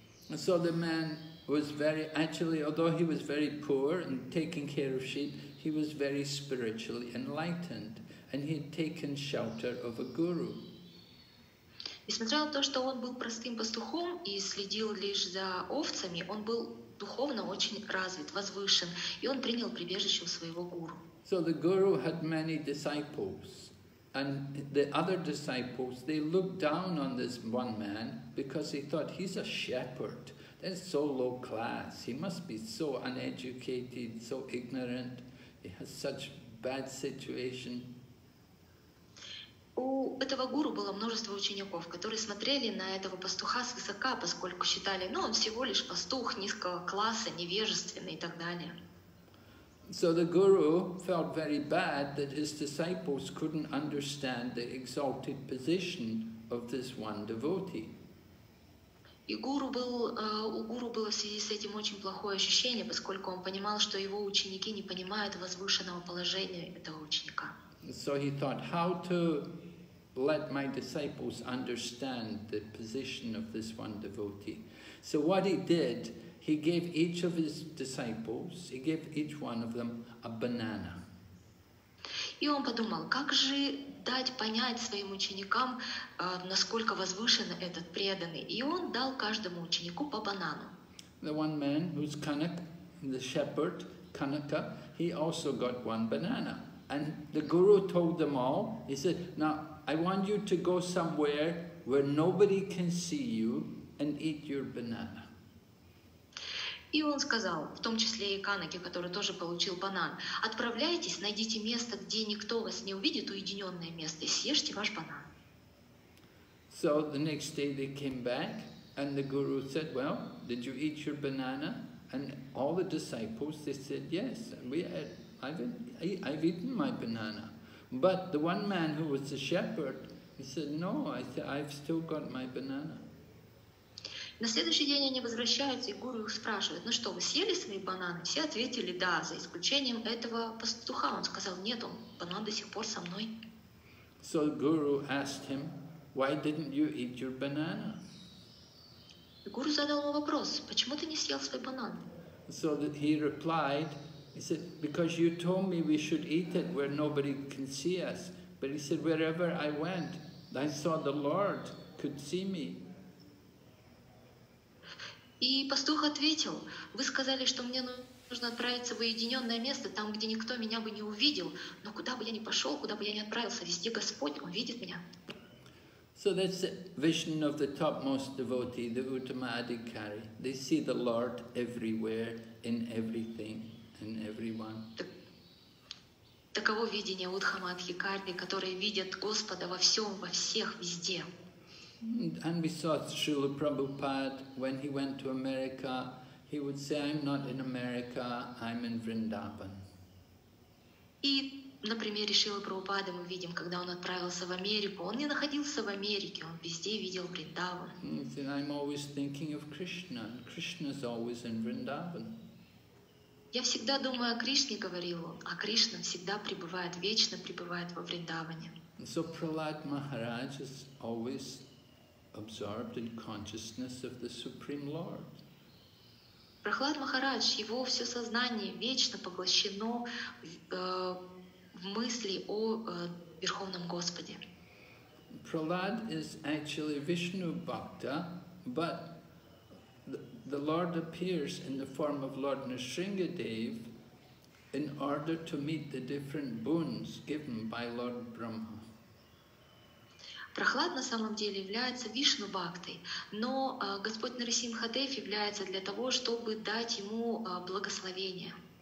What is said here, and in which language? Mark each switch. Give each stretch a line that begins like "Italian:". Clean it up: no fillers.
English: So the man was very, actually, although he was very poor and taking care of sheep, he was very spiritually enlightened, and he had taken shelter of a guru.
Russian: Несмотря на то, что он был простым пастухом и следил лишь за овцами, он был духовно очень развит, возвышен, и он принял прибежище у своего гуру.
English: So the guru had many disciples, and the other disciples, they looked down on this one man because they thought he's a shepherd. That's so low class. He must be so uneducated, so ignorant. He has such bad situation.
Russian: У этого гуру было множество учеников, которые смотрели на этого пастуха свысока, поскольку считали, ну, он всего лишь пастух низкого класса, невежественный и так далее.
English: So the guru felt very bad that his disciples couldn't understand the exalted position of this one devotee.
Russian: И гуру был, у гуру было в связи с этим очень плохое ощущение, поскольку он понимал, что его ученики не понимают возвышенного положения этого ученика.
English: So he thought, how to let my disciples understand the position of this one devotee. So what he did, he gave each of his disciples, he gave each one of them a banana.
Russian: И он подумал, как же дать понять своим ученикам, насколько возвышен этот преданный. И он дал каждому ученику по банану.
English: The one man who's Kanak, the shepherd, Kanaka, he also got one banana. And the guru told them all, he said, now, I want you to go somewhere where nobody can see you and eat your banana.
Russian: И он сказал, в том числе и Канаке, который тоже получил банан, отправляйтесь, найдите место, где никто вас не увидит, уединенное место, и съешьте ваш банан.
English: So the next day they came back, and the guru said, well, did you eat your banana? And all the disciples, they said, yes, I've eaten my banana. But the one man who was the shepherd, he said, no, I've still got my banana.
Russian: На следующий день они возвращаются, и гуру их спрашивает, ну что, вы съели свои бананы? Все ответили, да, за исключением этого пастуха. Он сказал, нет, он банан до сих пор со мной.
English: So guru asked him, why didn't you eat your banana?
Russian: И гуру задал ему вопрос, почему ты не съел свой банан?
English: So that he replied, he said, because you told me we should eat it where nobody can see us. But he said, wherever I went, I saw the Lord could see me.
Russian: И пастух ответил, вы сказали, что мне нужно отправиться в уединенное место, там, где никто меня бы не увидел, но куда бы я ни пошел, куда бы я ни отправился, везде Господь, Он видит меня.
English: So that's the vision of the topmost devotee, the Uttama Adhikari. They see the Lord everywhere, in everything, in everyone.
Russian: Таково видение Уттама Адхикари, которые видят Господа во всем, во всех, везде.
English: And we saw Srila Prabhupada, when he went to America, he would say, I'm not in America, I'm in Vrindavan.
Russian: И на примере Шрилы Прабхупады мы видим, когда он отправился в Америку, он не находился в Америке, он везде видел Вриндаван.
English: He said, I'm always thinking of Krishna, Krishna's always in Vrindavan.
Russian: Я всегда думаю о Кришне, говорил он, а Кришна всегда пребывает, вечно пребывает во Вриндаване.
English: So Prahlad Maharaj is always absorbed in consciousness of the Supreme Lord.
Russian: Прохлад Махарадж, его все сознание вечно поглощено в мысли о Верховном Господе.
English: Prahlad is actually Vishnu Bhakta, but the Lord appears in the form of Lord Nrisingadev in order to meet the different boons given by Lord Brahma.
Russian: Прохлад на самом деле является Вишну Бхактой, но Господь Нарасимхадев является для того, чтобы дать ему благословение.